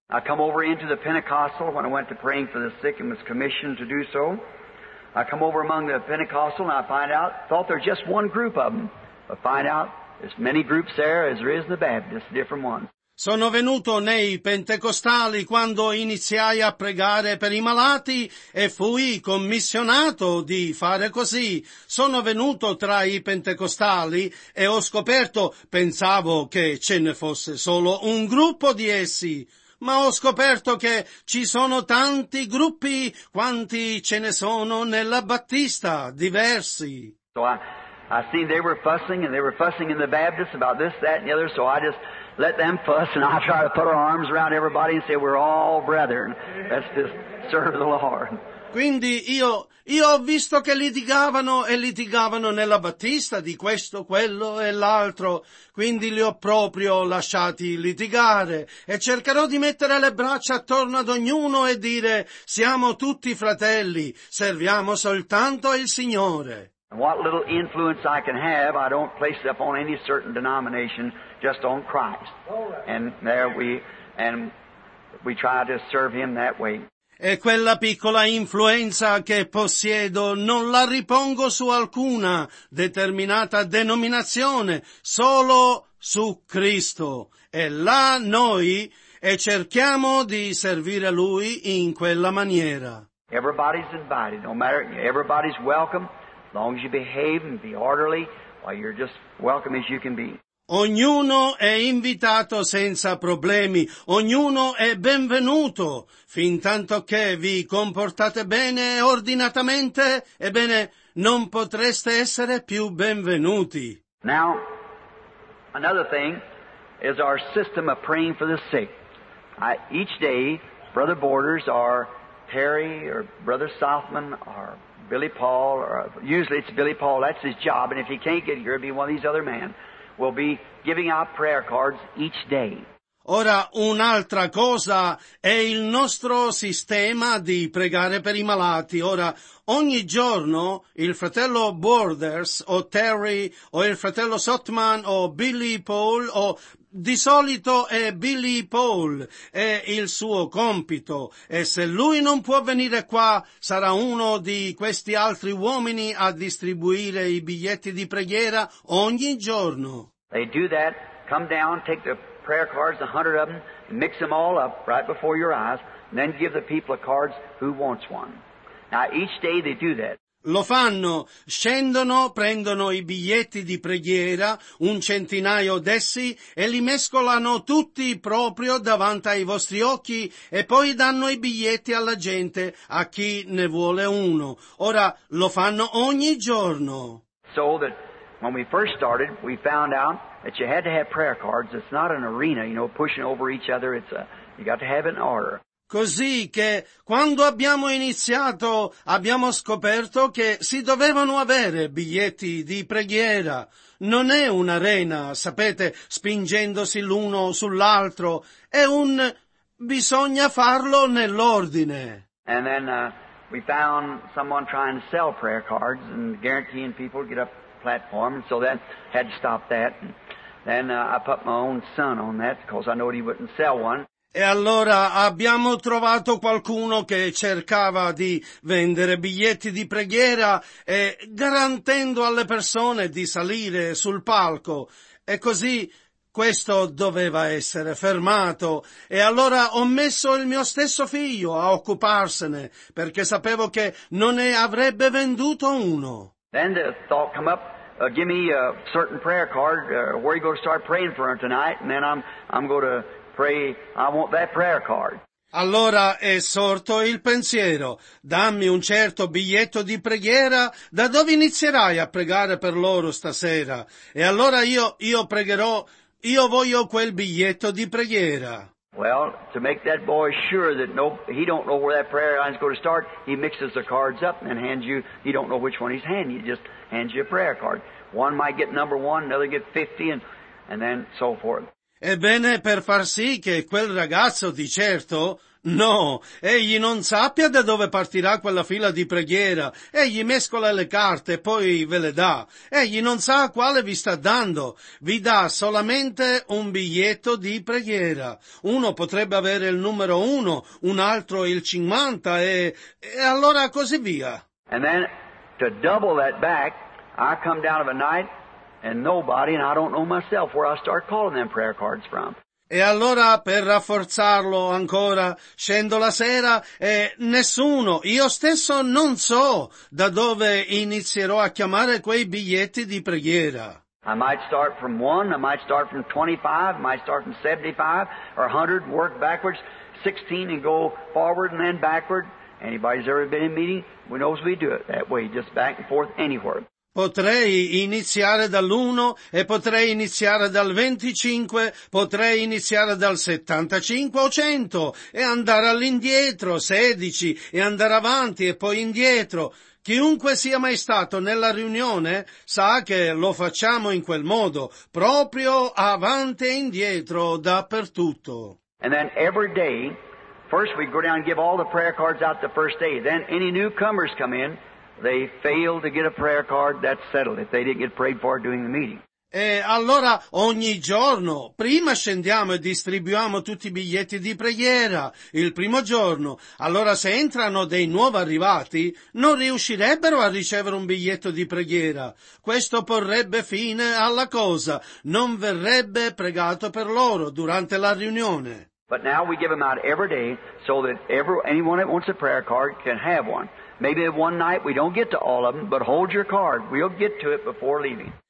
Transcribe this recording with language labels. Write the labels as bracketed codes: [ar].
[en] I come over into the Pentecostal when I went to praying for the sick and was commissioned to do so. I come over among the Pentecostal and I find out, thought there was just one group of them, but find out there's many groups there as there is in the Baptist, different ones. [it] Sono venuto nei pentecostali quando iniziai a pregare per i malati e fui commissionato di fare così. Sono venuto tra i pentecostali e ho scoperto, pensavo che ce ne fosse solo un gruppo di essi, ma ho scoperto che ci sono tanti gruppi quanti ce ne sono nella Battista, diversi. [en] I see they were fussing and they were fussing in the Baptist about this, that and the other, so I just let them fuss and I try to put our arms around everybody and say we're all brethren. Let's just serve the Lord. [it] Quindi io ho visto che litigavano e litigavano nella Battista di questo, quello e l'altro, quindi li ho proprio lasciati litigare e cercherò di mettere le braccia attorno ad ognuno e dire siamo tutti fratelli, serviamo soltanto il Signore. [en] What little influence I can have, I don't place it upon any certain denomination, just on Christ. And there we try to serve Him that way. [it] E quella piccola influenza che possiedo non la ripongo su alcuna determinata denominazione, solo su Cristo. E là noi e cerchiamo di servire Lui in quella maniera. [en] Everybody's invited, no matter, everybody's welcome. As long as you behave and be orderly, well, you're just welcome as you can be. [it] Ognuno è invitato senza problemi. Ognuno è benvenuto. Fin tanto che vi comportate bene e ordinatamente, ebbene, non potreste essere più benvenuti. [en] Now, another thing is our system of praying for the sick. Each day, Brother Borders or Terry or Brother Southman or Billy Paul, or usually it's Billy Paul, that's his job, and if he can't get here, it'll be one of these other men, will be giving out prayer cards each day. [it] Ora, un'altra cosa è il nostro sistema di pregare per i malati. Ora, ogni giorno il fratello Borders, o Terry, o il fratello Sotman, o Billy Paul, o di solito è Billy Paul, è il suo compito, e se lui non può venire qua, sarà uno di questi altri uomini a distribuire i biglietti di preghiera ogni giorno. [en] They do that, come down, take the prayer cards, 100 of them, and mix them all up right before your eyes, and then give the people the cards who wants one. Now each day they do that. [it] Lo fanno, scendono, prendono i biglietti di preghiera, un centinaio d'essi, e li mescolano tutti proprio davanti ai vostri occhi, e poi danno i biglietti alla gente, a chi ne vuole uno. Ora, lo fanno ogni giorno. [en] So that when we first started, we found out that you had to have prayer cards. It's not an arena, you know, pushing over each other. You got to have an order. [it] Così che quando abbiamo iniziato abbiamo scoperto che si dovevano avere biglietti di preghiera. Non è un'arena, sapete, spingendosi l'uno sull'altro. È un bisogna farlo nell'ordine. [en] And then we found someone trying to sell prayer cards and guaranteeing people to get up the platform. And so that had to stop that. And then I put my own son on that because I knew he wouldn't sell one. [it] E allora abbiamo trovato qualcuno che cercava di vendere biglietti di preghiera e garantendo alle persone di salire sul palco. E così questo doveva essere fermato. E allora ho messo il mio stesso figlio a occuparsene perché sapevo che non ne avrebbe venduto uno. [en] Then the thought come up, give me a certain prayer card, where you go to start praying for him tonight, and then I'm going to pray, I want that prayer card. [it] Allora è sorto il pensiero, dammi un certo biglietto di preghiera, da dove inizierai a pregare per loro stasera? E allora io pregherò, io voglio quel biglietto di preghiera. [en] Well, to make that boy sure that no, he don't know where that prayer line is going to start, he mixes the cards up and hands you, he don't know which one he's handing, he just hands you a prayer card. One might get number one, another get 50, and then so forth. [it] Ebbene, per far sì che quel ragazzo, di certo, no, egli non sappia da dove partirà quella fila di preghiera, egli mescola le carte e poi ve le dà, egli non sa quale vi sta dando, vi dà solamente un biglietto di preghiera. Uno potrebbe avere il numero 1, un altro il 50 e allora così via. [en] And then, to double that back, I come down of a night and nobody, and I don't know myself where I start calling them prayer cards from. [it] E allora, per rafforzarlo ancora, scendo la sera e nessuno, io stesso non so da dove inizierò a chiamare quei biglietti di preghiera. [en] I might start from 1, I might start from 25, I might start from 75 or 100, work backwards, 16 and go forward and then backward. Anybody's ever been in meeting, we knows we do it that way, just back and forth anywhere. [it] Potrei iniziare dall'1 e potrei iniziare dal 25, potrei iniziare dal 75 o 100 e andare all'indietro, 16 e andare avanti e poi indietro. Chiunque sia mai stato nella riunione sa che lo facciamo in quel modo, proprio avanti e indietro, dappertutto. [en] And then every day, first we go down and give all the prayer cards out the first day, then any newcomers come in. They fail to get a prayer card, that's settled. If they didn't get prayed for during the meeting. [it] E allora ogni giorno, prima scendiamo e distribuiamo tutti i biglietti di preghiera, il primo giorno. Allora se entrano dei nuovi arrivati, non riuscirebbero a ricevere un biglietto di preghiera. Questo porrebbe fine alla cosa. Non verrebbe pregato per loro durante la riunione. [en] But now we give them out every day so that anyone that wants a prayer card can have one. Maybe one night we don't get to all of them, but hold your card. We'll get to it before leaving.